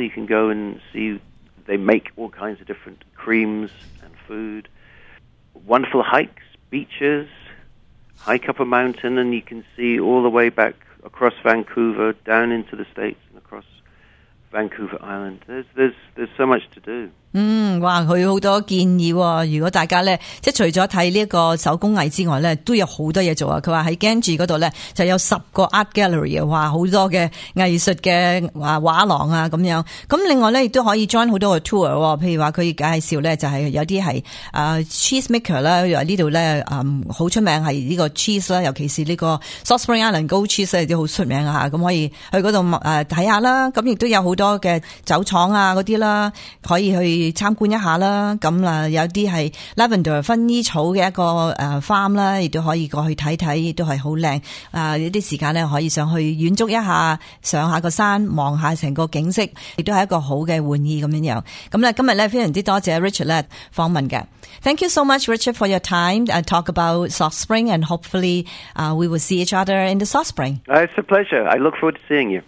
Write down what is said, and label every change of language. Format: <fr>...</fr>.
<en>You can go and see, they make all kinds of different creams and food. Wonderful hikes, beaches, hike up a mountain, and you can see all the way back,across Vancouver, down into the States, and across Vancouver Island. There's so much to do.</en> <yue>哇，佢好多建议喎。如果大家呢，即除咗睇呢个手工艺之外呢，都有好多嘢做。佢话喺 Ganges 嗰度呢，就有十个 art gallery, 哇，好多嘅艺术嘅画廊啊咁样。咁另外呢，亦都可以 join 好多个 tour, 譬如话佢介绍呢，就係有啲係cheese maker 啦，又呢度呢好出名係呢个 cheese 啦，尤其是呢个 South Spring Island Gold Cheese 都好出名啊，咁可以去嗰度睇下啦。咁亦都有好多嘅酒厂啊嗰啲啦，可以去参观一下啦，咁啊有啲系 lavender 薰衣草嘅一个farm 啦，亦都可以过去睇睇，亦都系好靓。一啲时间咧可以上去远足一下，上下个山，望下成个景色，亦都系一个好嘅玩意咁样样。咁咧今日咧非常之多谢 Richard 咧访问嘅 ，</yue> <en>Thank you so much Richard for your time. Talk about South Spring and hopefully we will see each other in the South Spring. It's a pleasure. I look forward to seeing you.</en>